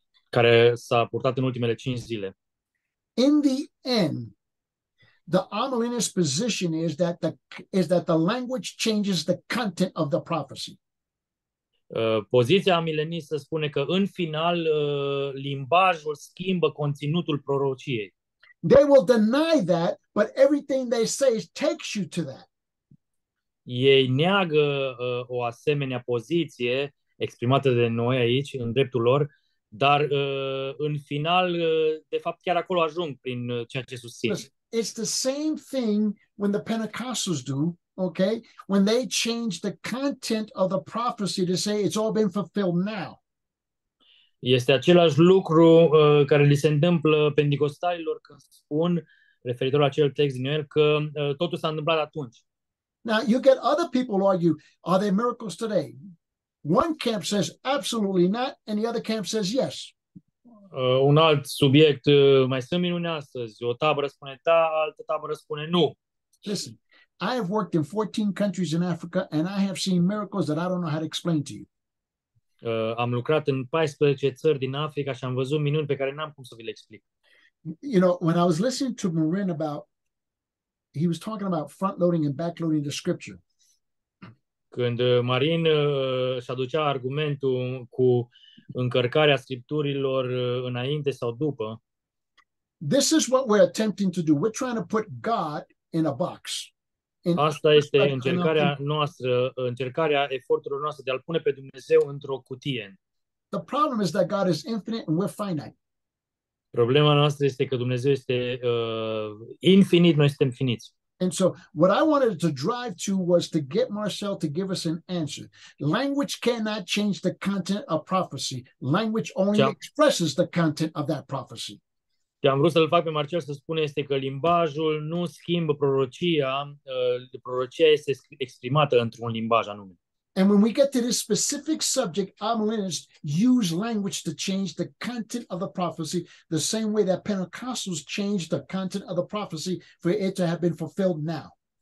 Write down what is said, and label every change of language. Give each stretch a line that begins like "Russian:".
Romanian: Care s-a purtat în ultimele 5 zile.
English: In the end, the amillennialist position is that the language changes the content of the prophecy.
Romanian: Poziția amilenistă spune că în final limbajul schimbă conținutul prorociei.
English: They will deny that, but everything they say takes you to that.
Romanian: Ei neagă o asemenea poziție exprimată de noi aici în dreptul lor. Dar în final, de fapt, chiar acolo ajung prin ceea ce susțin.
English: It's the same thing when the Pentecostals do, okay? When they change the content of the prophecy to say it's all been fulfilled now.
Romanian: Este același lucru care li se întâmplă pentecostalilor când spun referitor la acel text din Ioel, că totul s-a întâmplat atunci.
English: Now you get other people argue, are there miracles today? One camp says absolutely not, and the other camp says yes.
Romanian: Un alt subiect, mai sunt minuni astăzi. O tabără spune da, altă tabără spune nu.
English: Listen, I have worked in 14 countries in Africa and I have seen miracles that I don't know how to explain to you.
Romanian: Am lucrat în 14 țări din Africa și am văzut minuni pe care n-am cum să vi le explic.
English: You know, when I was listening to Marin about, he was talking about front-loading and back-loading the scripture.
Romanian: Când Marin se aducea argumentul cu încărcarea scripturilor înainte sau după.
English: This is what we're attempting to do. We're trying to put God in a box.
Romanian: Asta este încercarea noastră, încercarea eforturilor noastre de a-l pune pe Dumnezeu într-o cutie.
English: The problem is that God is infinite and we're finite.
Romanian: Problema noastră este că Dumnezeu este infinit, noi suntem finiți.
English: And so what I wanted to drive to was to get Marcel to give us an answer. Language cannot change the content of prophecy. Language only expresses the content of that prophecy.
Romanian: Ce am vrut să-l fac pe Marcel să spune este că limbajul nu schimbă prorocia, prorocia este exprimată într-un limbaj anume.
English: And when we get to this specific subject, amillennialists use language to change the content of the prophecy the same way that Pentecostals changed the content of the prophecy for it to have been fulfilled now.